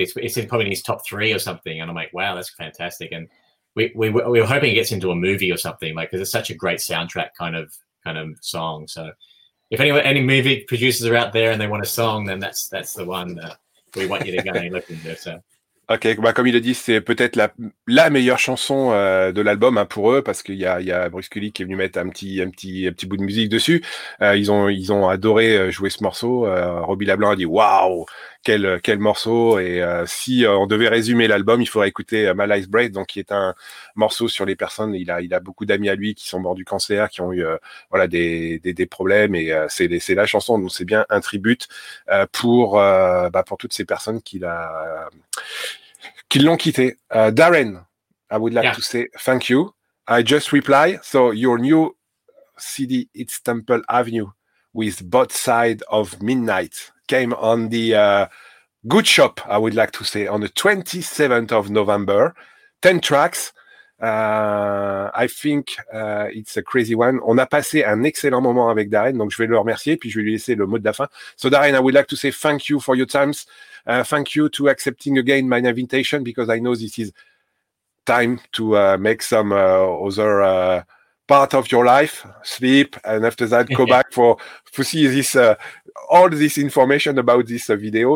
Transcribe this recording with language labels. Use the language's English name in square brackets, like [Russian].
[English] It's probably in his top three or something, and I'm like, wow, that's fantastic. And We were hoping it gets into a movie or something, like, because it's such a great soundtrack kind of song. So if any movie producers are out there and they want a song, then that's the one that we want you to go and look into. So. [French] Ok, bah comme il le dit, c'est peut-être la meilleure chanson de l'album, hein, pour eux, parce qu'il y a Bruce Kulick qui est venu mettre un petit bout de musique dessus. Ils ont adoré jouer ce morceau. Robbie LeBlanc a dit waouh, quel morceau. Et si on devait résumer l'album, il faudrait écouter My Life Breath, donc qui est un morceau sur les personnes. Il a beaucoup d'amis à lui qui sont morts du cancer, qui ont eu des problèmes. Et c'est la chanson, donc c'est bien un tribute pour toutes ces personnes qui l'ont quitté. [English] Darren, I would like to say thank you. I just reply, so your new CD, It's Temple Avenue, with Both Sides of Midnight, came on the Good Shop, I would like to say, on the 27th of November. 10 tracks. I think it's a crazy one. [French] On a passé un excellent moment avec Darren, donc je vais le remercier, puis je vais lui laisser le mot de la fin. [English] So Darren, I would like to say thank you for your times. Thank you to accepting again my invitation, because I know this is time to make some other part of your life, sleep, and after that, go back for see this all this information about this video.